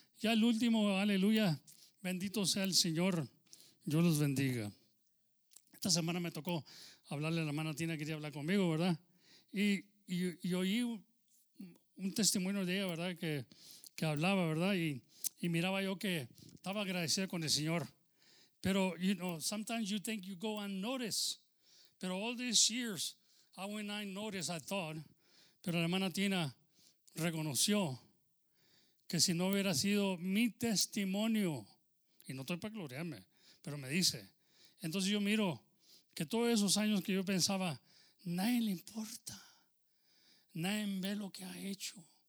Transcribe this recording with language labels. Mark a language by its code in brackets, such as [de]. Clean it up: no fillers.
[es] Ya el último, aleluya, bendito sea el Señor, yo los bendiga. Esta semana me tocó hablarle a la hermana Tina, quería hablar conmigo, ¿verdad? Y oí un testimonio de ella, ¿verdad? Que hablaba, ¿verdad? Y miraba yo que estaba agradecida con el Señor. [en] Pero, you know, sometimes you think you go unnoticed. Pero all these years, I went unnoticed, I thought. [es] Pero la hermana Tina reconoció que si no hubiera sido mi testimonio, y no estoy para gloriarme, pero me dice. Entonces yo miro que todos esos años que yo pensaba, nadie le importa, nadie ve lo que ha hecho.